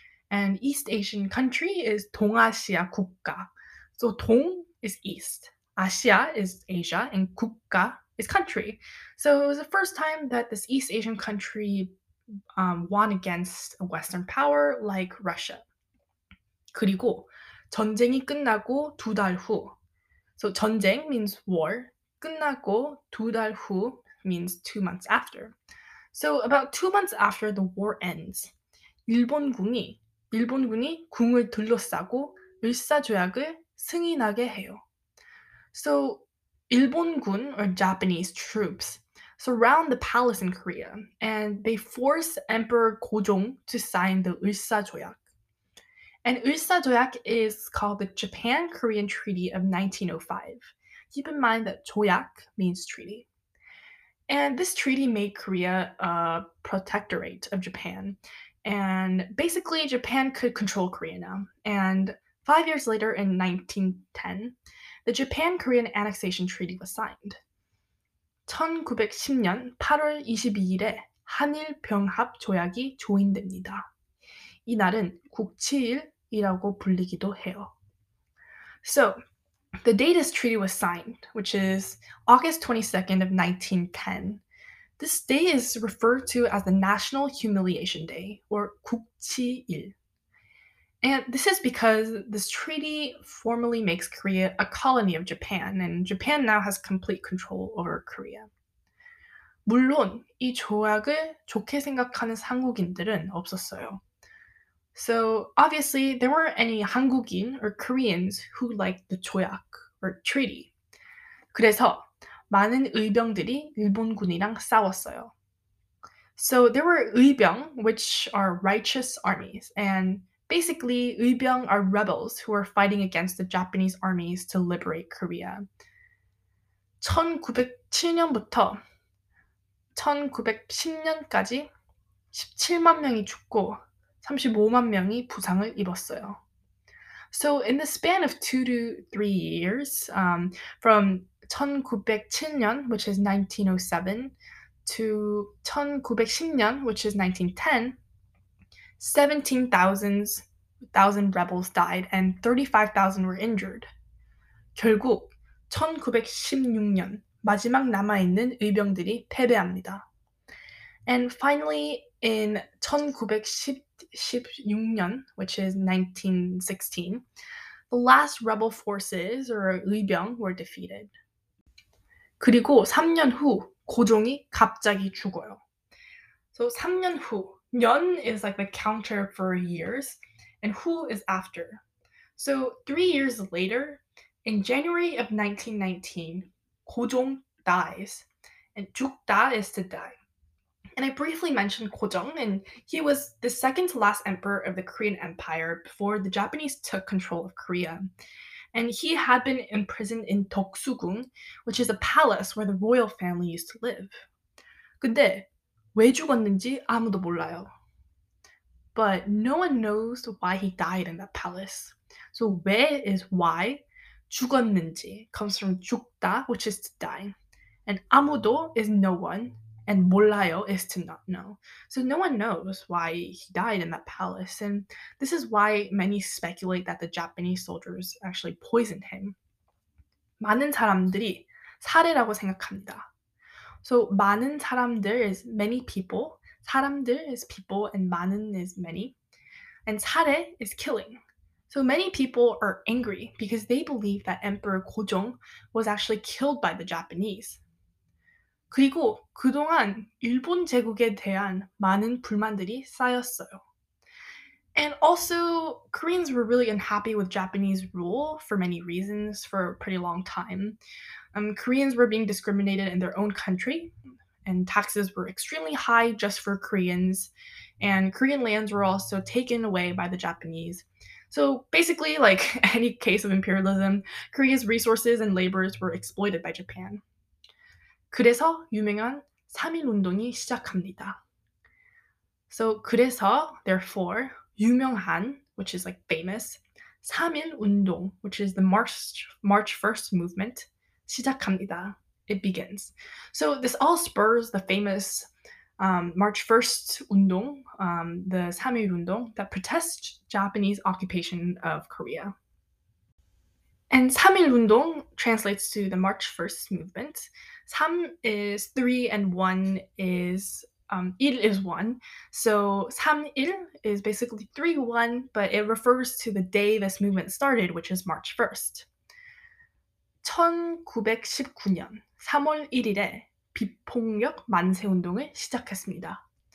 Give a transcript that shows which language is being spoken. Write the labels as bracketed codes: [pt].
[en] And East Asian country is [ko] 동아시아 국가. [en] So 동 is east, 아시아 is Asia, and 국가 is country. So it was the first time that this East Asian country won against a Western power like Russia. [ko] 그리고 전쟁이 끝나고 두 달 후. [en] So 전쟁 means war. [ko] 끝나고 두 달 후 [en] means 2 months after. So about 2 months after the war ends, [ko] 일본군이 궁을 둘러싸고 을사조약을 승인하게 해요. [en] So 일본군 or Japanese troops surround the palace in Korea and they force Emperor Gojong to sign the 을사조약. And 을사조약 is called the Japan-Korean Treaty of 1905. Keep in mind that 조약 means treaty. And this treaty made Korea a protectorate of Japan. And basically, Japan could control Korea now. And 5 years later, in 1910, the Japan-Korean Annexation Treaty was signed. [ko] 1910년 8월 22일에 한일 병합 조약이 조인됩니다. 이날은 국치일이라고 불리기도 해요. [en] So, the date this treaty was signed, which is August 22nd of 1910, this day is referred to as the National Humiliation Day, or 국치일. And this is because this treaty formally makes Korea a colony of Japan, and Japan now has complete control over Korea. [ko] 물론, 이 조약을 좋게 생각하는 한국인들은 없었어요. [en] So, obviously, there weren't any 한국인 or Koreans who liked the 조약 or treaty. [ko] 그래서 많은 의병들이 일본군이랑 싸웠어요. [en] So, there were 의병, which are righteous armies, and basically, 의병 are rebels who are fighting against the Japanese armies to liberate Korea. [ko] 1907년부터 1910년까지 17만 명이 죽고 35만 명이 부상을 입었어요. [en] So in the span of 2 to 3 years, from 1907년, which is 1907, to 1910년, which is 1910, 17,000 rebels died and 35,000 were injured. [ko] 결국 1916년 마지막 남아있는 의병들이 패배합니다. [en] And finally, in 1916년, which is 1916, the last rebel forces, or 의병, were defeated. [ko] 그리고 3년 후, 고종이 갑자기 죽어요. [en] So [ko] 3년 후, [en] 년 is like the counter for years, and 후 is after. So 3 years later, in January of 1919, 고종 dies, and 죽다 is to die. And I briefly mentioned Gojong, and he was the second to last emperor of the Korean Empire before the Japanese took control of Korea. And he had been imprisoned in Deoksu-gung, which is a palace where the royal family used to live. [ko] 근데 왜 죽었는지 아무도 몰라요. [en] But no one knows why he died in that palace. So 왜 is why, 죽었는지 comes from 죽다, which is to die. And 아무도 is no one. And 몰라요 is to not know. So no one knows why he died in that palace. And this is why many speculate that the Japanese soldiers actually poisoned him. [ko] 많은 사람들이 살해라고 생각합니다. [en] So [ko] 많은 사람들 [en] is many people. 사람들 is people and 많은 is many. And 살해 is killing. So many people are angry because they believe that Emperor Gojong was actually killed by the Japanese. [ko] 그리고 그동안 일본 제국에 대한 많은 불만들이 쌓였어요. [en] And also, Koreans were really unhappy with Japanese rule for many reasons for a pretty long time. Koreans were being discriminated in their own country, and taxes were extremely high just for Koreans, and Korean lands were also taken away by the Japanese. So basically, like any case of imperialism, Korea's resources and labors were exploited by Japan. [ko] 그래서 유명한 3.1 운동이 시작합니다. [en] So, 그래서, therefore, 유명한, which is like famous, 3.1 운동, which is the March 1st movement, [ko] 시작합니다. [en] It begins. So, this all spurs the famous March 1st 운동, the 3.1 운동, that protests Japanese occupation of Korea. And 3.1 운동 translates to the March 1st movement. 3 is 3 and 1 is, 1 is 1. So 3.1 is basically 3.1, but it refers to the day this movement started, which is March 1st. [ko] 1919년 3월 1일에 비폭력 만세 운동을 시작했습니다.